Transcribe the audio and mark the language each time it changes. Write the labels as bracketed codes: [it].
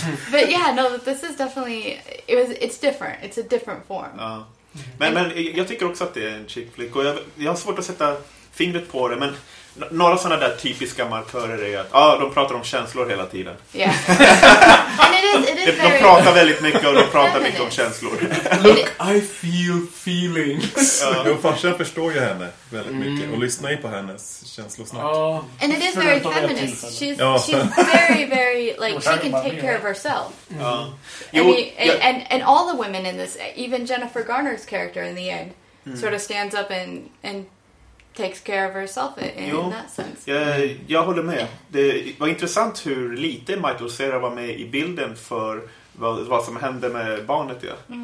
[en] But yeah, no, this is definitely, it's different. It's a different form. [sv] Men jag tycker också att det är en chick flick. Och jag har svårt att sätta fingret på det, men några sådana där typiska markörer är att de pratar om känslor hela tiden. [en] Yeah. [sv] De pratar väldigt mycket och de pratar feminist. Mycket om känslor. [en] Look, I feel feelings. [sv] Och farsan förstår ju henne väldigt mycket och lyssnar ju på hennes känslosnack. [en] And it is very feminist. She's very, very, like, she can take care of herself. And all the women in this, even Jennifer Garner's character in the end, sort of stands up and takes care of herself in that sense. [sv] Jag håller med. Det var intressant hur lite Michael Cera var med i bilden för vad som hände med barnet. Ja.